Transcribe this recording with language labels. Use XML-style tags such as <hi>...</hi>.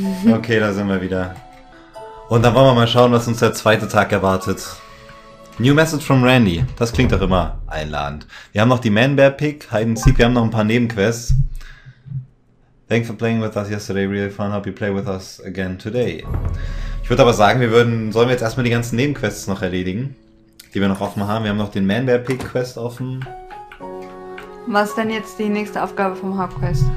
<de>Okay, da sind wir wieder. Und dann wollen wir mal schauen, was uns der zweite Tag erwartet.</de> <en>New message from Randy.</en> <de>Das klingt doch immer einladend. Wir haben noch die Man-Bear-Pick, Hide and Seek. Wir haben noch ein paar Nebenquests.</de> <en>Thank you for playing with us yesterday. Really fun. Hope you play with us again today.</en> <de>Ich würde aber sagen, sollen wir jetzt erstmal die ganzen Nebenquests noch erledigen, die wir noch offen haben. Wir haben noch den Man-Bear-Pick-Quest offen. Was denn jetzt die nächste Aufgabe vom Hauptquest?</de>